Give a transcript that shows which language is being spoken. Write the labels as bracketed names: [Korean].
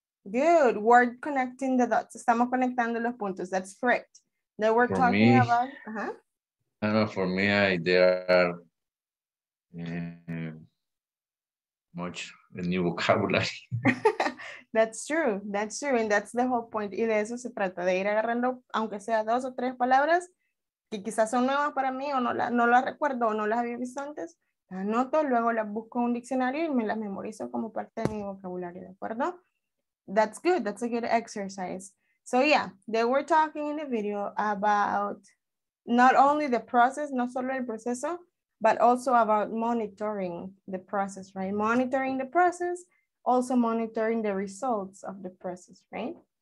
[English] Good. We're connecting the dots. [Spanish] Estamos conectando los puntos. [English] That's correct. They were for talking about. Uh-huh. I don't know, for me, there are much a new vocabulary. That's true. That's true. And that's the whole point. [Spanish] Y de eso se trata, de ir agarrando, aunque sea dos o tres palabras, que quizás son nuevas para mí o no las recuerdo o no las había visto antes. Anoto, luego las busco en un diccionario y me las memorizo como parte de mi vocabulario, ¿de acuerdo? [English] That's good. That's a good exercise. So yeah, they were talking in the video about not only the process, [Spanish] no solo el proceso, [English] but also about monitoring the process, right? Monitoring the process, also monitoring the results of the process, right?